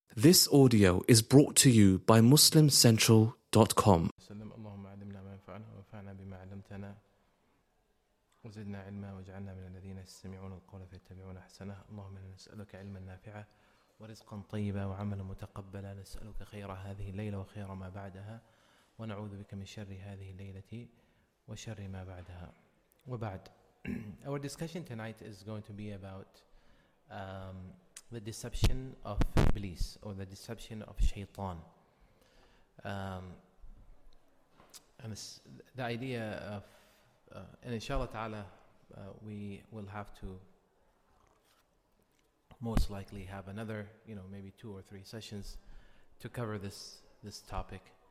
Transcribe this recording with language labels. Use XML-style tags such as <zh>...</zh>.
<en>This audio is brought to you by MuslimCentral.com.</en> <ar>سلم اللهم علمنا ما ينفعنا وانفعنا بما علمتنا وزدنا علما واجعلنا من الذين يستمعون القول فيتبعون احسنه اللهم نسألك علما نافعا ورزقا طيبا وعملا متقبلا نسألك خير هذه الليله وخير ما بعدها ونعوذ بك من شر هذه الليله وشر ما بعدها وبعد.</ar> <en>Our discussion tonight is going to be about the deception of Iblis, or the deception of Shaytan. And this, the idea of, and inshallah ta'ala, we will have to most likely have another, you know, maybe two or three sessions to cover this topic.</en>